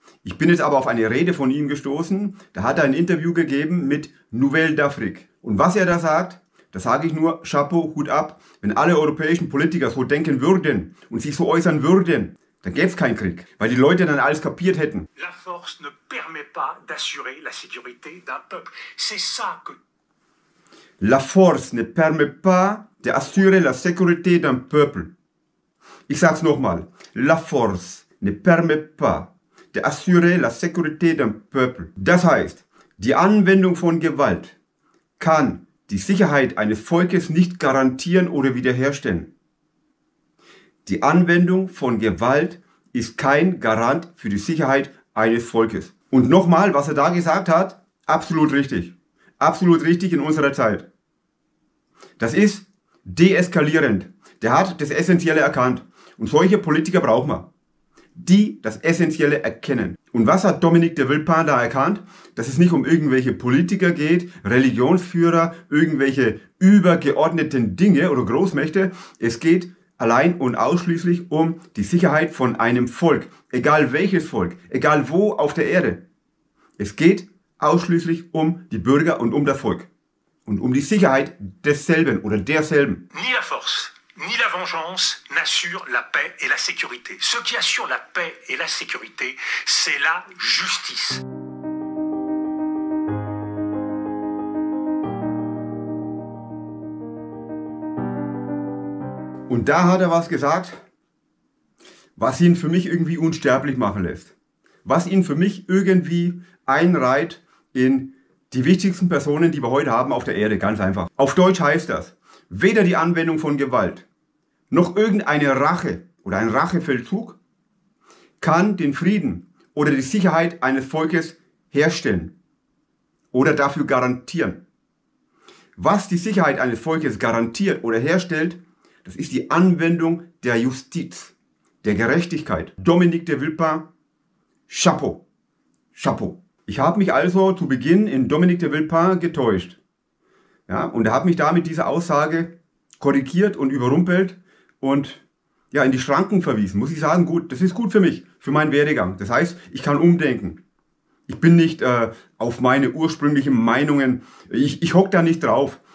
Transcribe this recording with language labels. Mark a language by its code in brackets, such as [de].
[de] Ich bin jetzt aber auf eine Rede von ihm gestoßen. Da hat er ein Interview gegeben mit Nouvelle d'Afrique. Und was er da sagt, da sage ich nur, Chapeau, Hut ab, wenn alle europäischen Politiker so denken würden und sich so äußern würden, dann gäbe es keinen Krieg, weil die Leute dann alles kapiert hätten. [fr] La force ne permet pas d'assurer la sécurité d'un peuple. C'est ça que... La force ne permet pas d'assurer la sécurité d'un peuple. [de] Ich sage es nochmal. [fr] La force ne permet pas d'assurer la sécurité d'un peuple. [de] Das heißt, die Anwendung von Gewalt kann die Sicherheit eines Volkes nicht garantieren oder wiederherstellen. Die Anwendung von Gewalt ist kein Garant für die Sicherheit eines Volkes. Und nochmal, was er da gesagt hat, absolut richtig. Absolut richtig in unserer Zeit. Das ist deeskalierend. Der hat das Essentielle erkannt. Und solche Politiker braucht man, die das Essentielle erkennen. Und was hat Dominique de Villepin da erkannt? Dass es nicht um irgendwelche Politiker geht, Religionsführer, irgendwelche übergeordneten Dinge oder Großmächte. Es geht allein und ausschließlich um die Sicherheit von einem Volk. Egal welches Volk, egal wo auf der Erde. Es geht ausschließlich um die Bürger und um das Volk. Und um die Sicherheit desselben oder derselben. [fr] Ni la force, ni la vengeance n'assure la paix et la sécurité. Ce qui assure la paix et la sécurité, c'est la justice. [de] Und da hat er was gesagt, was ihn für mich irgendwie unsterblich machen lässt. Was ihn für mich irgendwie einreiht in die wichtigsten Personen, die wir heute haben auf der Erde, ganz einfach. Auf Deutsch heißt das, weder die Anwendung von Gewalt noch irgendeine Rache oder ein Rachefeldzug kann den Frieden oder die Sicherheit eines Volkes herstellen oder dafür garantieren. Was die Sicherheit eines Volkes garantiert oder herstellt, das ist die Anwendung der Justiz, der Gerechtigkeit. Dominik de Villepin, Chapeau, Chapeau. Ich habe mich also zu Beginn in Dominik de Villepin getäuscht. Ja, und er hat mich damit diese Aussage korrigiert und überrumpelt und ja, in die Schranken verwiesen. Muss ich sagen, gut, das ist gut für mich, für meinen Werdegang. Das heißt, ich kann umdenken. Ich bin nicht auf meine ursprünglichen Meinungen, ich hocke da nicht drauf.